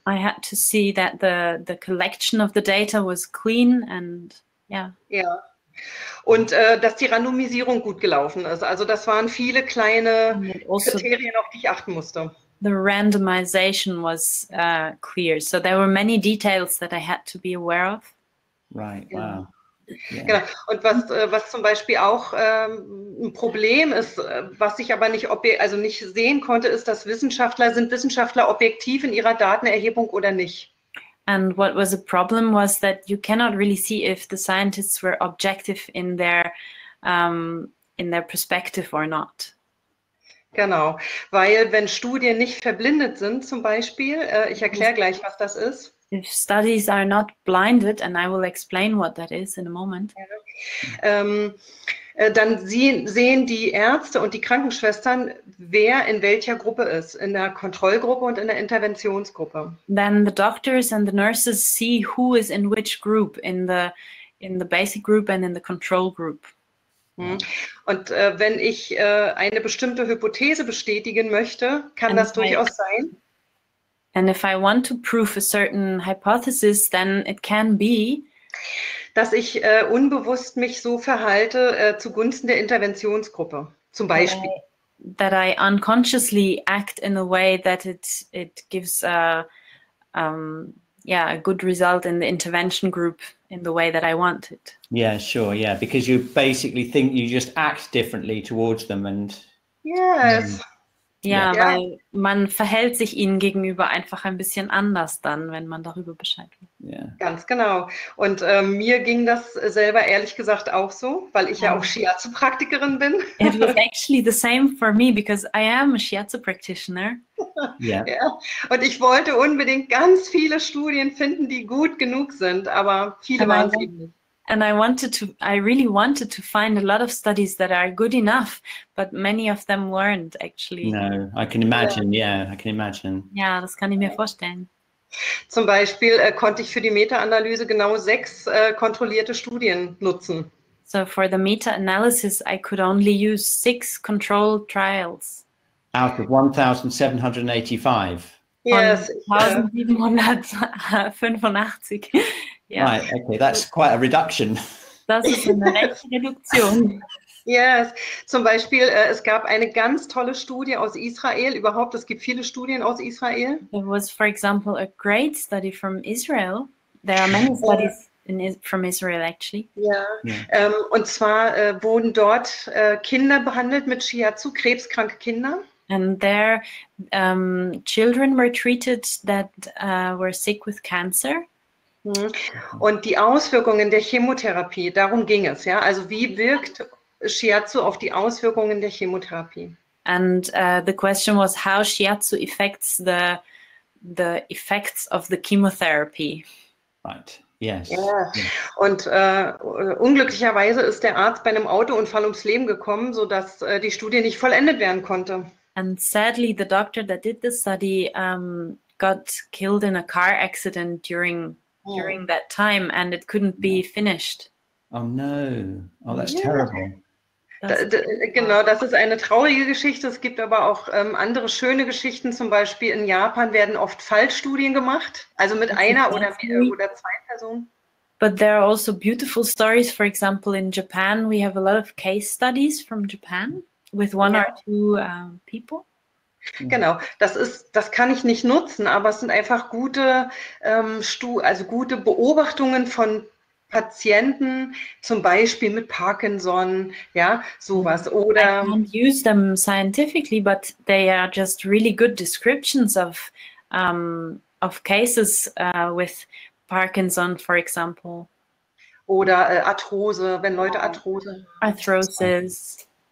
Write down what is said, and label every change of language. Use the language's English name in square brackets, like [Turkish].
[English] I had to see that the collection of the data was clean and, yeah. [German] Ja. Yeah. Und dass die Randomisierung gut gelaufen ist. Also das waren viele kleine Kriterien, auf die ich achten musste. [English] The randomization was clear. So there were many details that I had to be aware of. Right, wow. Yeah. [German] Genau. Und was zum Beispiel auch ein Problem ist, was ich aber nicht, also nicht sehen konnte, ist, dass Wissenschaftler, sind Wissenschaftler objektiv in ihrer Datenerhebung oder nicht? [English] And what was a problem was that you cannot really see if the scientists were objective in their perspective or not. [German] Genau, weil wenn Studien nicht verblindet sind, zum Beispiel, ich erkläre gleich, was das ist. [English] If studies are not blinded, and I will explain what that is in a moment. [German] Ja. Dann sehen die Ärzte und die Krankenschwestern, wer in welcher Gruppe ist, in der Kontrollgruppe und in der Interventionsgruppe. [English] Then the doctors and the nurses see who is in which group, in the basic group and in the control group. [German] Und wenn ich eine bestimmte Hypothese bestätigen möchte, kann das durchaus sein. [English] And if I want to prove a certain hypothesis, then it can be, [German] dass ich unbewusst mich so verhalte zugunsten der Interventionsgruppe, zum Beispiel. [English] That I unconsciously act in a way that it gives a good result in the intervention group in the way that I want it. Yeah, sure, yeah, because you basically think you just act differently towards them and... Yes. [German] Weil man verhält sich ihnen gegenüber einfach ein bisschen anders dann, wenn man darüber Bescheid weiß. Yeah. Ganz genau. Und mir ging das selber ehrlich gesagt auch so, weil ich ja auch Shiatsu-Praktikerin bin. [English] It was actually the same for me, because I am a Shiatsu-Practitioner. Yeah. Ja. [German] Und ich wollte unbedingt ganz viele Studien finden, die gut genug sind, aber viele waren es eben nicht. [English] And I really wanted to find a lot of studies that are good enough, but many of them weren't actually. No, I can imagine. Yeah, I can imagine. [German] Ja, das kann ich mir vorstellen. Zum Beispiel konnte ich für die Meta-Analyse genau 6 kontrollierte Studien nutzen. [English] So for the meta-analysis, I could only use 6 controlled trials. Out of 1,785. Yes. 1,785. Yeah. Right, okay, that's quite a reduction. [German] Das ist eine echte Reduktion. Yes, zum Beispiel, es gab eine ganz tolle Studie aus Israel, überhaupt, es gibt viele Studien aus Israel. [English] There was, for example, a great study from Israel. There are many studies from Israel, actually. [German] Und zwar wurden dort Kinder behandelt mit Shiatsu, krebskranke Kinder. [English] And there, children were treated that were sick with cancer. [German] Und die Auswirkungen der Chemotherapie, darum ging es, ja? Also wie wirkt Shiatsu auf die Auswirkungen der Chemotherapie? [English] And the question was, how Shiatsu affects the effects of the chemotherapy. Right, yes. [German] Ja. Und unglücklicherweise ist der Arzt bei einem Autounfall ums Leben gekommen, sodass die Studie nicht vollendet werden konnte. [English] And sadly, the doctor that did the study got killed in a car accident during that time, and it couldn't be finished. Oh no. Oh, that's terrible. [German] Genau, das ist eine traurige Geschichte. Es gibt aber auch andere schöne Geschichten. Zum Beispiel in Japan werden oft Fallstudien gemacht, also mit einer oder zwei Personen. [English] But there are also beautiful stories. For example, in Japan, we have a lot of case studies from Japan with one or two people. [German] Genau, das kann ich nicht nutzen, aber es sind einfach gute, gute Beobachtungen von Patienten, zum Beispiel mit Parkinson, ja, sowas. Oder [English] I can't use them scientifically, but they are just really good descriptions of cases with Parkinson, for example. [German] Oder Arthrose, wenn Leute Arthrose. [English] Arthrosis.